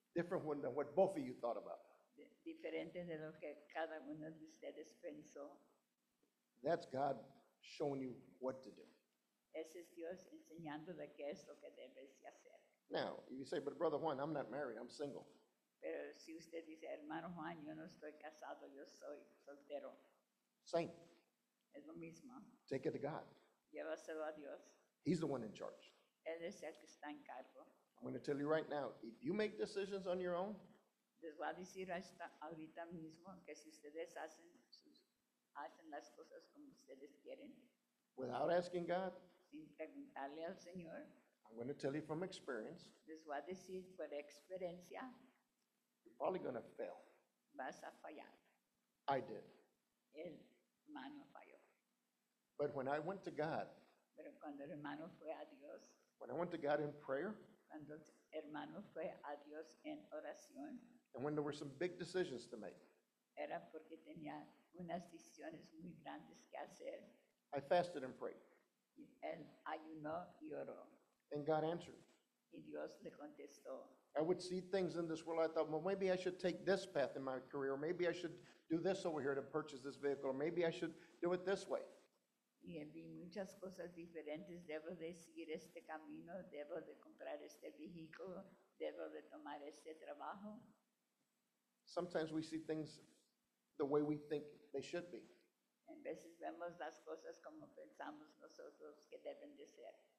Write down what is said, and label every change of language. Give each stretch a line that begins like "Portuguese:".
English: Different than what both of you thought about.
Spanish: Diferente de lo que cada uno de ustedes pensó.
English: That's God showing you what to do.
Spanish: Ese es Dios enseñándole qué es lo que debes hacer.
English: Now, if you say, but Brother Juan, I'm not married, I'm single.
Spanish: Pero si usted dice, hermano Juan, yo no estoy casado, yo soy soltero.
English: Same.
Spanish: Es lo mismo.
English: Take it to God.
Spanish: Llévaselo a Dios.
English: He's the one in charge.
Spanish: Él es el que está en cargo.
English: I'm going to tell you right now, if you make decisions on your own,
Spanish: les voy a decir ahorita mismo que si ustedes hacen las cosas como ustedes quieren,
English: without asking God,
Spanish: sin preguntarle al Señor,
English: I'm going to tell you from experience,
Spanish: les voy a decir por experiencia,
English: you're probably going to fail.
Spanish: Vas a fallar.
English: I did.
Spanish: El hermano falló.
English: But when I went to God,
Spanish: pero cuando el hermano fue a Dios,
English: when I went to God in prayer,
Spanish: cuando el hermano fue a Dios en oración,
English: and when there were some big decisions to make,
Spanish: era porque tenía unas decisiones muy grandes que hacer,
English: I fasted and prayed.
Spanish: Él ayunó y oró.
English: And God answered.
Spanish: Y Dios le contestó.
English: I would see things in this world. I thought, well, maybe I should take this path in my career. Or maybe I should do this over here to purchase this vehicle. Or maybe I should do it this way.
Spanish: Y vi muchas cosas diferentes. Debo de seguir este camino. Debo de comprar este vehículo. Debo de tomar este trabajo.
English: Sometimes we see things the way we think they should be.
Spanish: En veces vemos las cosas como pensamos nosotros que deben de ser.